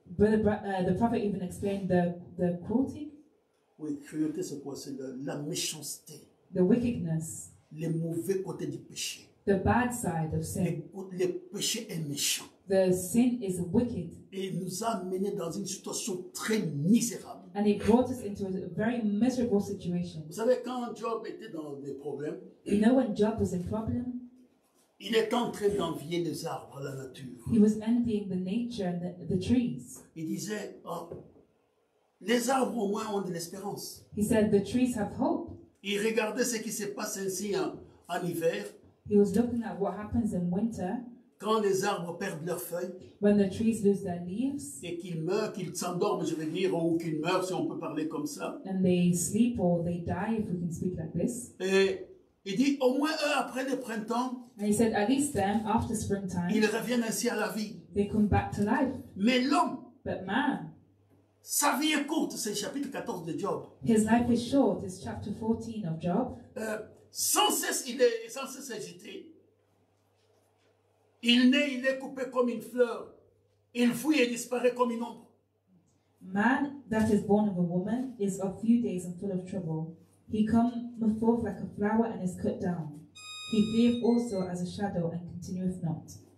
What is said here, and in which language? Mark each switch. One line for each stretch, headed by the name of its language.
English: But the prophet even explained the cruelty.
French: Oui, cruauté, c'est quoi? C'est la méchanceté.
English: The wickedness.
French: Le mauvais côté du péché.
English: The bad side of sin.
French: Le péché est méchant.
English: The sin is wicked.
French: Et nous a amené dans une situation très misérable.
English: And it brought us into a very miserable situation.
French: Vous savez, quand Job était dans des problèmes,
English: you know when Job was in problems?
French: Il est en train d'envier les arbres, la nature.
English: He was envying the nature and the trees.
French: Il disait, oh, les arbres au moins ont de l'espérance.
English: He said, the trees have hope.
French: Il regardait ce qui se passe ainsi en hiver.
English: He was looking at what happens in winter.
French: Quand les arbres perdent leurs feuilles.
English: When the trees lose their leaves.
French: Et qu'ils meurent, qu'ils s'endorment, je veux dire, ou qu'ils meurent, si on peut parler comme ça.
English: And they sleep or they die, if we can speak like this.
French: Il dit, au moins eux, après le printemps,
English: and he said, at least then, after springtime,
French: ils reviennent ainsi à la vie.
English: They come back to life.
French: Mais l'homme,
English: but man,
French: sa vie est courte, c'est chapitre 14 de Job.
English: His life is short, it's chapter 14 of Job.
French: Sans cesse, il est sans cesse agité. Il naît, il est coupé comme une fleur. Il fuit et disparaît comme une ombre.
English: Man that is born of a woman is of few days and full of trouble. He comes forth like a flower and is cut down. He fleeth also as a shadow and continueth not.